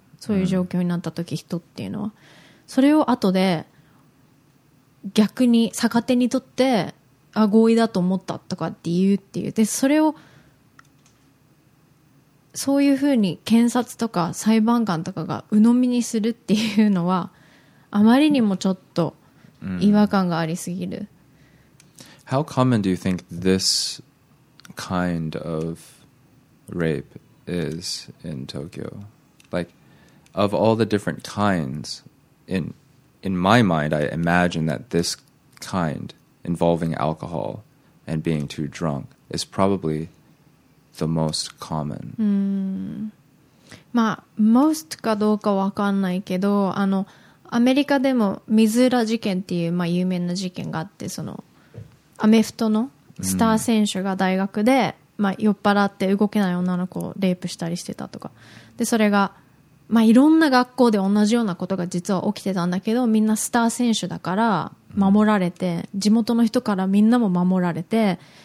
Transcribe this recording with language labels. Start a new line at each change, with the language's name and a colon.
Japanese: そういう状況になった時、人っていうのは、それを後で逆に逆手にとって、あ、合意だと思ったとかって言うっていう、でそれをそういうふうに検察とか裁判官とかが鵜呑みにするっていうのはあまりにもちょっと違和感がありすぎる。
English: How common do you think this kind of rape is in Tokyo? Like, of all the different kinds, in my mind, I imagine that this kind involving alcohol and being too drunk is probably the most common.
Japanese: まあ、most かどうかわかんないけど、あの、アメリカでもミズーラ事件っていう、まあ、有名な事件があって、その、アメフトのスター選手が大学で、まあ、酔っ払って動けない女の子をレイプしたりしてたとか、でそれが、まあ、いろんな学校で同じようなことが実は起きてたんだけど、みんなスター選手だから守られて、地元の人からみんなも守られて、